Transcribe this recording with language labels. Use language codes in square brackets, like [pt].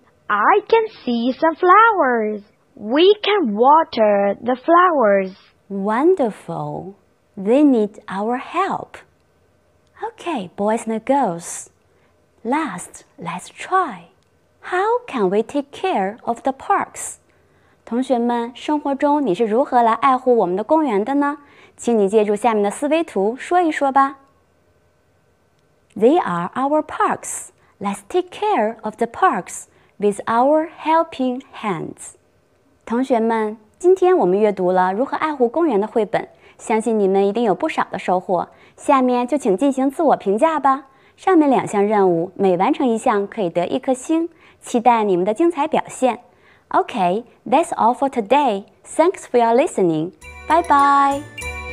[en] I can see some flowers. We can water the flowers. Wonderful. They need our help. Okay, boys and girls. Last, let's try. How can we take care of the parks? [zh] 同学们，生活中你是如何来爱护我们的公园的呢？请你借助下面的思维图说一说吧。 [en] They are our parks. Let's take care of the parks with our helping hands. [zh] 同学们，今天我们阅读了如何爱护公园的绘本，相信你们一定有不少的收获。下面就请进行自我评价吧。上面两项任务，每完成一项可以得一颗星，期待你们的精彩表现。 [en] Okay, that's all for today. Thanks for your listening. Bye-bye.